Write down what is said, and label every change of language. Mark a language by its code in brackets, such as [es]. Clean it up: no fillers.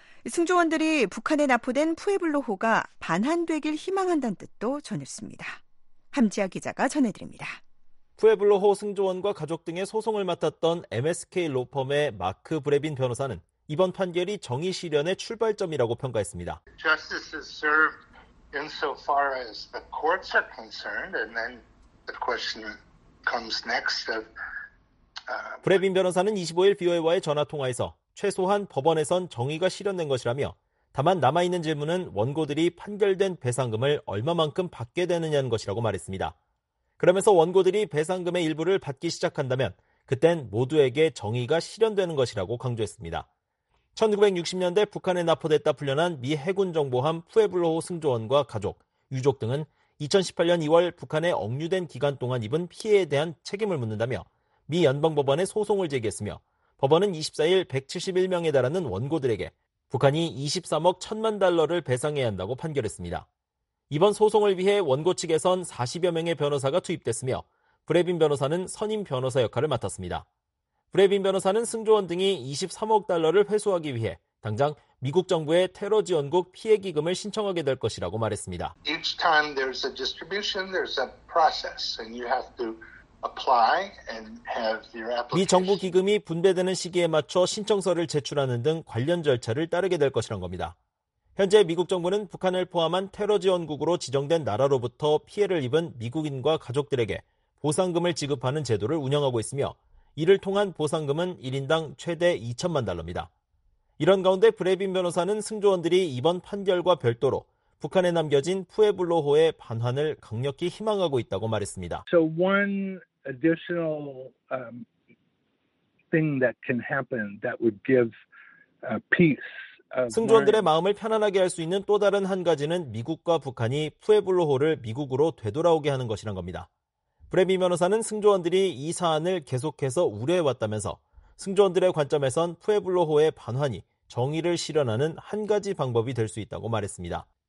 [ko] 승조원들이 북한에 납포된 푸에블로호가 반환되길 희망한다는 뜻도 전했습니다. 함지아 기자가 전해드립니다. 푸에블로호 승조원과 가족 등의 소송을 맡았던 MSK 로펌의 마크 브레빈 변호사는 이번 판결이 정의 실현의 출발점이라고 평가했습니다. [en] Justice is served insofar as the courts are concerned, and then the question comes next of. [ko] 브레빈 변호사는 25일 VOA와의 전화 통화에서 최소한 법원에선 정의가 실현된 것이라며 다만 남아있는 질문은 원고들이 판결된 배상금을 얼마만큼 받게 되느냐는 것이라고 말했습니다. 그러면서 원고들이 배상금의 일부를 받기 시작한다면 그땐 모두에게 정의가 실현되는 것이라고 강조했습니다. 1960년대 북한에 나포됐다 풀려난 미 해군 정보함 푸에블로호 승조원과 가족, 유족 등은 2018년 2월 북한에 억류된 기간 동안 입은 피해에 대한 책임을 묻는다며 미 연방법원에 소송을 제기했으며 법원은 24일 171명에 달하는 원고들에게 북한이 23억 1천만 달러를 배상해야 한다고 판결했습니다. 이번 소송을 위해 원고 측에선 40여 명의 변호사가 투입됐으며 브레빈 변호사는 선임 변호사 역할을 맡았습니다. 브레빈 변호사는 승조원 등이 23억 달러를 회수하기 위해 당장 미국 정부의 테러 지원국 피해 기금을 신청하게 될 것이라고 말했습니다. [en] Each time there's a distribution, there's a process, and you have to apply and have your application. [ko] 미 정부 기금이 분배되는 시기에 맞춰 신청서를 제출하는 등 관련 절차를 따르게 될 것이란 겁니다. 현재 미국 정부는 북한을 포함한 테러 지원국으로 지정된 나라로부터 피해를 입은 미국인과 가족들에게 보상금을 지급하는 제도를 운영하고 있으며 이를 통한 보상금은 1인당 최대 2천만 달러입니다. 이런 가운데 브레빈 변호사는 승조원들이 이번 판결과 별도로 북한에 남겨진 푸에블로호의 반환을 강력히 희망하고 있다고 말했습니다. [en] So one additional thing that can happen that would give peace. [ko] 승조원들의 마음을 편안하게 할 수 있는 또 다른 한 가지는 미국과 북한이 푸에블로호를 미국으로 되돌아오게 하는 것이란 겁니다. 브레미 변호사는 승조원들이 이 사안을 계속해서 우려해왔다면서 승조원들의 관점에선 푸에블로호의 반환이 정의를 실현하는 한 가지 방법이 될 수 있다고 말했습니다.